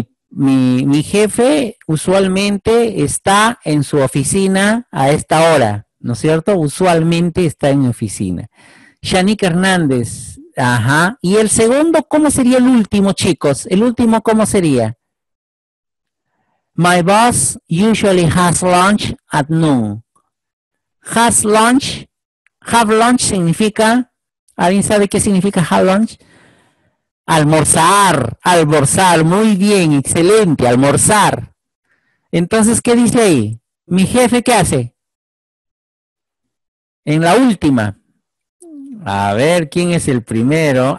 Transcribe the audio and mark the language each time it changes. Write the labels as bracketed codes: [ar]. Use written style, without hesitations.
[es] Mi jefe usualmente está en su oficina a esta hora, ¿no es cierto? Usualmente está en mi oficina. Shanique Hernández. Ajá. ¿Y el segundo, cómo sería el último, chicos? El último, ¿cómo sería? [en] My boss usually has lunch at noon. Has lunch. Have lunch significa. [es] ¿Alguien sabe qué significa have lunch? Almorzar, almorzar, muy bien, excelente, almorzar. Entonces, ¿qué dice ahí? ¿Mi jefe qué hace? En la última. A ver, ¿quién es el primero?